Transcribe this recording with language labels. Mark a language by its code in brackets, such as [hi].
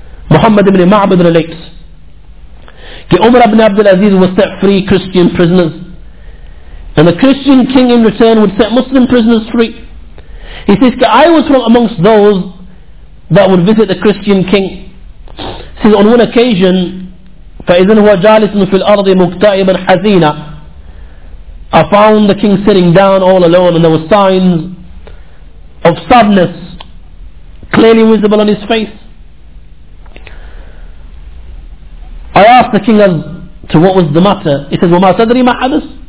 [en] Muhammad ibn Ma'bad relates that Umar ibn Abdul Aziz would set free Christian prisoners, and the Christian king in return would set Muslim prisoners free. He says, I was from amongst those that would visit the Christian king. He says, on one occasion, [ar] فَإِذَنْ هُوَ جَالِسٌ فِي الْأَرْضِ مُكْتَئِبًا حَزِينًا. [en] I found the king sitting down all alone, and there were signs of sadness clearly visible on his face. I asked the king to what was the matter. He says, [ar] "Wa ma tadri ma hadas?"